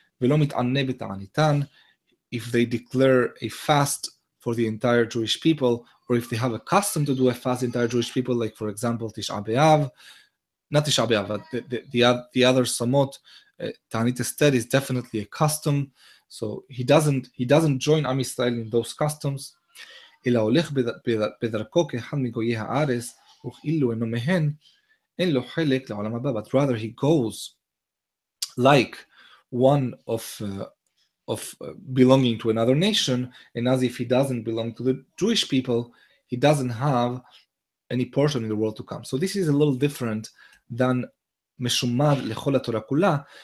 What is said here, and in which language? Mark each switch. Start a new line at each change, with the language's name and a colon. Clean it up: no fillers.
Hebrew: ולא מתענה בתעניתן.
English: If they declare a fast for the entire Jewish people, or if they have a custom to do a fast, entire Jewish people, like for example Tisha B'Av, not Tisha B'Av, but the other Samot, Ta'anit Ester is definitely a custom. So he doesn't join Am Yisrael in those customs.
Hebrew: אלא הולך בדרכו כאחד מגויי הארץ, וכאילו אינו מהן, אין לו חלק לעולם הבא.
English: But rather he goes like one of belonging to another nation, and as if he doesn't belong to the Jewish people, he doesn't have any portion in the world to come. So this is a little different than Meshumad Lechol HaTorah Kula.